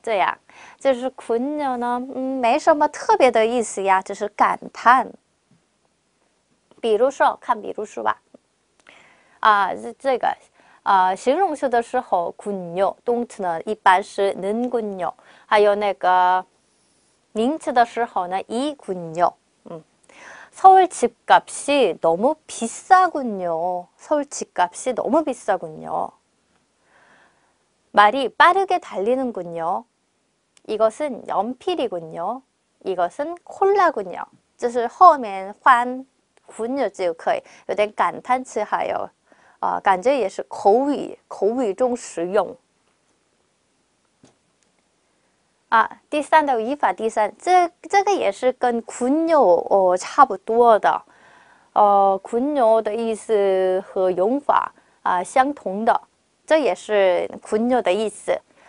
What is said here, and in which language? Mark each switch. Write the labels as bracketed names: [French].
[Chinese] 这样，就是군요呢，没什么特别的意思呀，只是感叹。比如说，看比如说吧，这个，形容词的时候，군요，动词呢一般是는군요，还有那个名词的时候呢，이군요。 [Korean] 서울 집값이 너무 비싸군요. 서울 집값이 너무 비싸군요. 말이 빠르게 달리는군요. 이것은 연필이군요. 이것은 콜라군요. [Chinese] 就是后面换"군요"就可以，有点感叹词，还有，感觉也是口语中使用。第三的语法，第三，这个也是跟군요差不多的，군요的意思和用法相同的，这也是군요的意思。